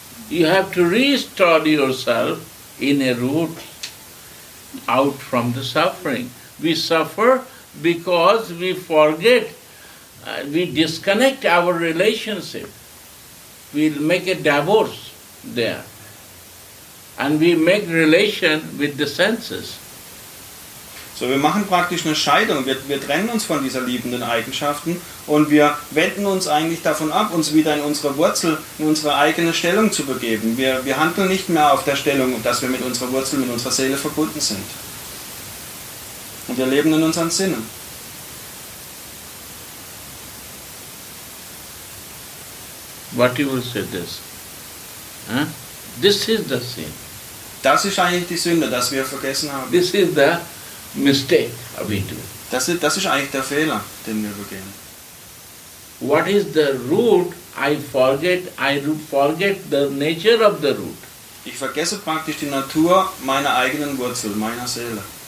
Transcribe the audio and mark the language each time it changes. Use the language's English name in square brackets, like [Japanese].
[English] You have to restore yourself in a root out from the suffering. We suffer because we forget, we disconnect our relationship. We'll make a divorce there. And we make relation with the senses. [German] So wir machen praktisch eine Scheidung. Wir trennen uns von dieser liebenden Eigenschaften und wir wenden uns eigentlich davon ab, uns wieder in unsere Wurzel, in unsere eigene Stellung zu begeben. Wir handeln nicht mehr auf der Stellung, dass wir mit unserer Wurzel, mit unserer Seele verbunden sind. Und wir leben in unseren Sinnen. [English] What you will say this? This is the sin. [German] Das ist eigentlich die Sünde, dass wir vergessen haben. [English] This is the mistake we do. [German] Das ist eigentlich der Fehler, den wir begehen. [English] What is the root? I forget the nature of the root. [German] Ich vergesse praktisch die Natur meiner eigenen Wurzel, meiner Seele.